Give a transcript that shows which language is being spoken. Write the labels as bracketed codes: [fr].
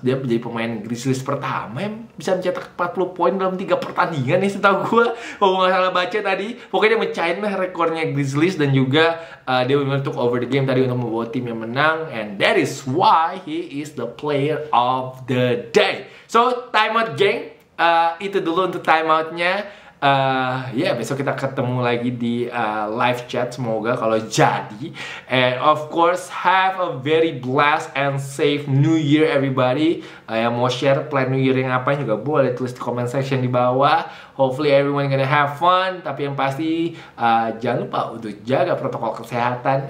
[id] Dia menjadi pemain Grizzlies pertama yang bisa mencetak 40 poin dalam 3 pertandingan nih, setahu gue. Kalau nggak salah baca tadi, pokoknya dia mencahin rekornya Grizzlies. Dan juga dia memang [en] took over the game [id] tadi untuk membawa tim yang menang. [en] And that is why he is the player of the day. So, timeout gang. [id] Itu dulu untuk timeout-nya. Besok kita ketemu lagi di live chat, semoga kalau jadi. [en] And of course, have a very blessed and safe New Year everybody. [id] Yang mau share plan New Year yang apa juga boleh tulis di comment section di bawah. [en] Hopefully everyone gonna have fun. [id] Tapi yang pasti, jangan lupa untuk jaga protokol kesehatan.